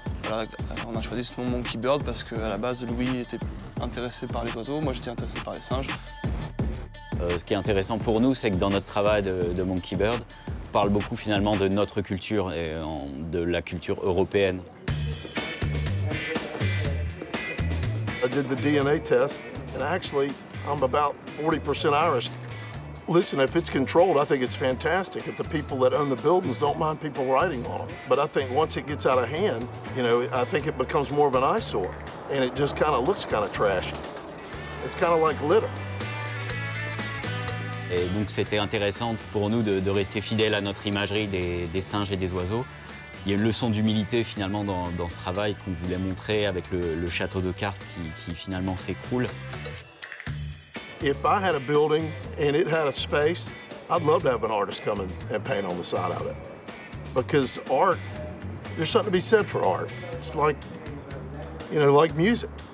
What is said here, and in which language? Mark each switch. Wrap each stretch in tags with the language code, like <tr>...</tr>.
<fr>Voilà, on a choisi ce nom Monkey Bird parce qu'à la base, Louis était intéressé par les oiseaux, moi j'étais intéressé par les singes. Ce qui est intéressant pour nous, c'est que dans notre travail de Monkey Bird, on parle beaucoup finalement de notre culture et de la culture européenne.</fr> <en>I did the DNA test, and actually, I'm about 40% Irish. Listen, if it's controlled, I think it's fantastic. If the people that own the buildings don't mind people riding on them. But I think once it gets out of hand, you know, I think it becomes more of an eyesore, and it just kind of looks kind of trashy. It's kind of like litter.</en> <fr>Et donc c'était intéressant pour nous de rester fidèle à notre imagerie des singes et des oiseaux. Il y a une leçon d'humilité finalement dans ce travail qu'on voulait montrer avec le château de cartes qui finalement s'écroule.</fr> <en>If I had a building and it had a space, I'd love to have an artist come in and paint on the side of it. Because art, there's something to be said for art. It's like, you know, like music.</en>